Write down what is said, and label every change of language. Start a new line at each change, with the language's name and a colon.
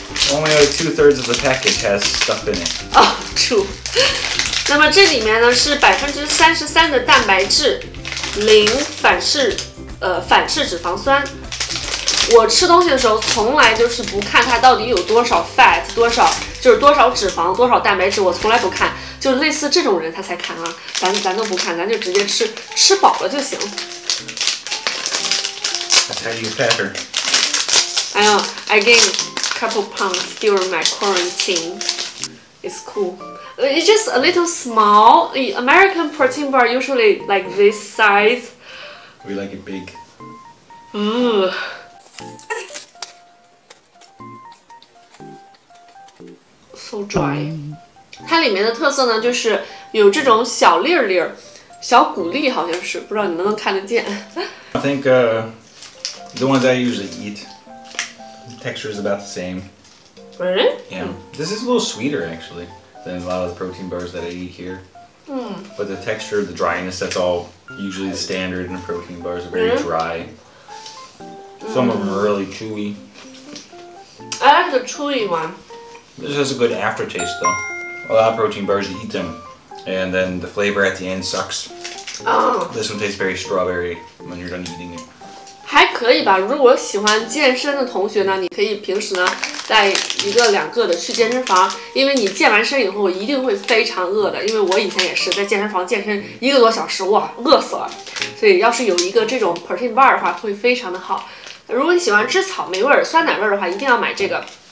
English: Only two-thirds of the package has stuff in it. Oh, true.
Chinese: 那么这里面呢是33%的蛋白质，零反式脂肪酸。我吃东西的时候从来就是不看它到底有多少 fat， 多少就是多少脂肪，多少蛋白质，我从来不看。就类似这种人他才看啊，咱都不看，咱就直接吃，吃饱了就行。
English: That's how you pepper. I gained a couple pounds during my quarantine. It's cool. It's just a little small. The American protein bar usually like this size. We like it big. Ooh. So dry.
Chinese: 它里面的特色呢，就是有这种小粒粒儿，小谷粒好像是，不知道你能不能看得见。
English: I think the ones I usually eat, texture is about the same. Really? Yeah. This is a little sweeter, actually. Than a lot of the protein bars that I eat here.、 Mm. But the texture, the dryness, that's all usually the standard in the protein bars, are very、mm. dry. Some、mm. of them are really chewy. I like the chewy one. This has a good aftertaste though. A lot of protein bars, you eat them, and then the flavor at the end sucks. Oh. This one tastes very strawberry when you're done eating it.
Chinese: 还可以吧，如果喜欢健身的同学呢，你可以平时呢带一个两个的去健身房，因为你健完身以后一定会非常饿的，因为我以前也是在健身房健身一个多小时，哇，饿死了。所以要是有一个这种 protein bar 的话会非常的好。如果你喜欢吃草莓味酸奶味的话一定要买这个。